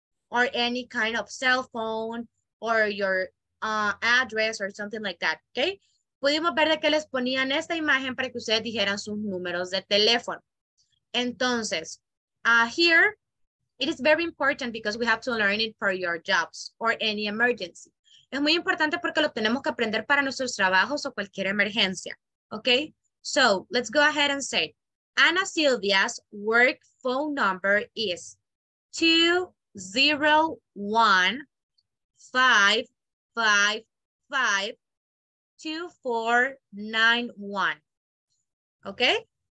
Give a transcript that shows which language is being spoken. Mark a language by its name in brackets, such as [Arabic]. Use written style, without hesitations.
[English] Or any kind of cell phone, or your address, or something like that, okay? [Spanish] Pudimos ver de que les ponían esta imagen para que ustedes dijeran sus números de teléfono. [English] Entonces, here, it is very important because we have to learn it for your jobs, or any emergency. [Spanish] Es muy importante porque lo tenemos que aprender para nuestros trabajos o cualquier emergencia, okay? [English] So, let's go ahead and say, Ana Silvia's work phone number is 2-0-1-5-5-5-2-4-9-1. Okay?